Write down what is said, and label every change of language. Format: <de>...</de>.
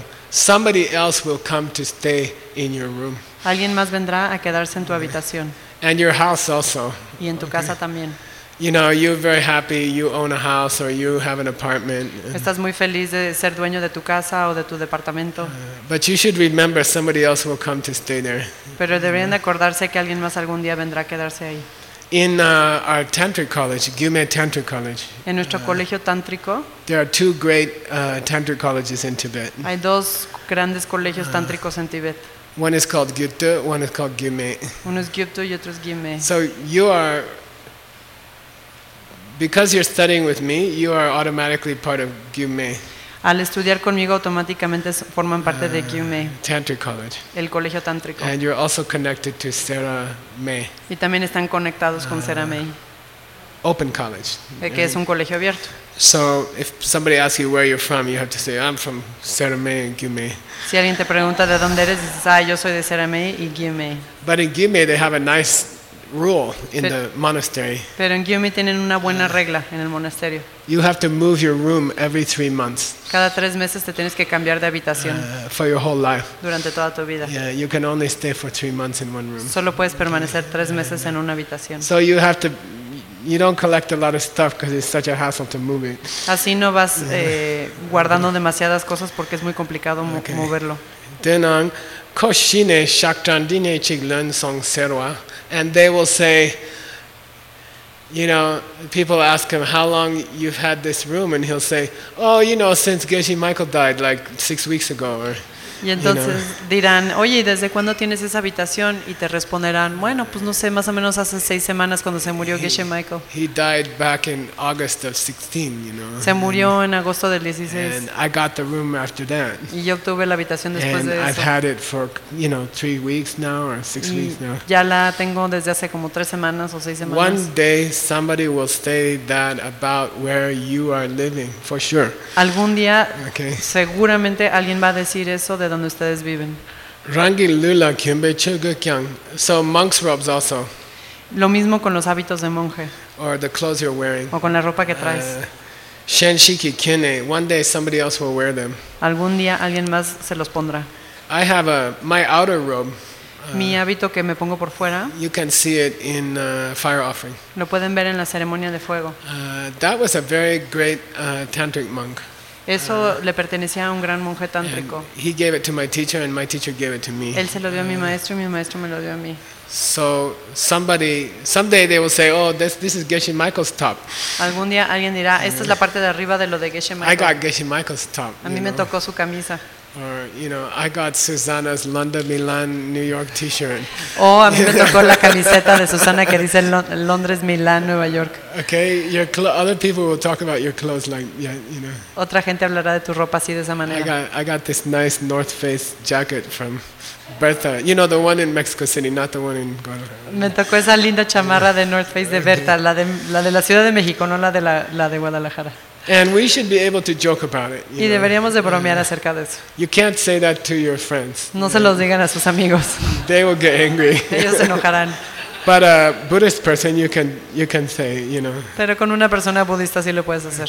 <en>Somebody else will come to stay in your room.</en> <es>Alguien más vendrá a quedarse en tu habitación.</es> <en>And your house also.</en> <es>Y en tu casa también.</es> <en>You know, you're very happy. You own a house or you have an apartment.</en> <es>Estás muy feliz de ser dueño de tu casa o de tu departamento.</es> <en>But you should remember somebody else will come to stay there.</en> <es>Pero deberían acordarse que alguien más algún día vendrá a quedarse ahí.</es> <en>In our tantric college, Gyume Tantric College.</en> <es>En nuestro colegio tántrico.</es> <en>There are two great tantric colleges in Tibet.</en> <es>Hay dos grandes colegios tántricos en Tibet.</es> <en>One is called Gyutu, one is called Gyume.</en> <es>Uno es Gyutu y otro es Gyume.</es> <en>So you are, because you're studying with me, you are automatically part of Gyume.</en> <es>Al estudiar conmigo automáticamente forman parte de Gyume.</es> <en>Tantric College.</en> <es>El colegio tántrico.</es> <en>And you're also connected to Sarah May.</en> <es>Y también están conectados con Sarah May.</es> <en>Open College.</en> <es>Que es un colegio abierto.</es> <en>So if somebody asks you where you're from, you have to say I'm from Sarah May and Gyume.</en> <es>Si alguien te pregunta de dónde eres, dices yo soy de Sarah May y Gyume.</es> <en>But in Gyume they have a nice rule in the monastery.</en> <es>Pero en Gyume tienen una buena regla en el monasterio.</es> <en>You have to move your room every 3 months.</en> <es>Cada 3 meses te tienes que cambiar de habitación.</es> <en>For your whole life.</en> <es>Durante toda tu vida.</es> <en>Yeah, you can only stay for 3 months in one room.</en> <es>Solo puedes permanecer 3 meses en una habitación.</es> <en>So you have to, you don't collect a lot of stuff because it's such a hassle to move it.</en> <es>Así no vas guardando demasiadas cosas porque es muy complicado moverlo.</es> <bo>Denang koshine shakrandine chiglen song serwa.</bo> <en>And they will say, you know, people ask him how long you've had this room, and he'll say, oh, you know, since Geshe Michael died, like 6 weeks ago. Or,</en> <es>y entonces</es> <en>you know.</en> <es>Dirán, oye, ¿desde cuándo tienes esa habitación? Y te responderán, bueno, pues no sé, más o menos hace 6 semanas cuando se murió Geshe Michael. He died back in August of 16, you know. Se murió en agosto del 16. And I got the room after that. Y yo obtuve la habitación después</es> <en>and</en> <es>de eso.</es> <en>And I've had it for, you know, 3 weeks now or 6 weeks now.</en> <es>Ya la tengo desde hace como 3 semanas o 6 semanas.</es> <en>One day somebody will say that about where you are living, for sure.</en> <es>Algún día, okay. Seguramente alguien va a decir eso de donde ustedes viven.</es> <bo>Rangi lula kyunbe chugu kyang.</bo> <en>So monks' robes also.</en> <es>Lo mismo con los hábitos de monje.</es> <en>Or the clothes you're wearing.</en> <es>O con la ropa que traes.</es> <bo>Shenshiki kyune.</bo> <en>One day somebody else will wear them.</en> <es>Algún día alguien más se los pondrá.</es> <en>I have my outer robe.</en> <es>Mi hábito que me pongo por fuera.</es> <en>You can see it in fire offering.</en> <es>Lo pueden ver en la ceremonia de fuego.</es> <en>That was a very great tantric monk.</en> <es>Eso le pertenecía a un gran monje tántrico.</es> <en>He gave it to my teacher and my teacher gave it to me.</en> <es>Él se lo dio a mi maestro y mi maestro me lo dio a mí.</es> <en>So somebody someday they will say, "Oh, this is Geshe Michael's top."</en> <es>Algún día alguien dirá, "Esta es la parte de arriba de lo de Geshe Michael."</es> <en>I got Geshe Michael's top.</en> <es>A mí me tocó su camisa.</es> <en>Or, you know, I got Susanna's London, Milan, New York t-shirt.</en> <es>Oh, a mí me tocó la camiseta de Susana que dice Londres, Milán, Nueva York.</es> <en>Okay, other people will talk about your clothes like, yeah, you know.</en> <es>Otra gente hablará de tu ropa así de esa manera.</es> <en>I got this nice North Face jacket from Berta. You know, the one in Mexico City, not the one in Guadalajara.</en> <es>Me tocó esa linda chamarra de North Face de Berta, la de la Ciudad de México, no la de Guadalajara.</es> <en>And we should be able to joke about it.</en> <es>Y deberíamos de bromear acerca de eso.</es> <en>You can't say that to your friends.</en> <es>No se los digan a sus amigos.</es> <en>They will get angry.</en> <es>Ellos se enojarán.</es> <en>But a Buddhist person, you can say, you know.</en> <es>Pero con una persona budista sí lo puedes hacer.</es>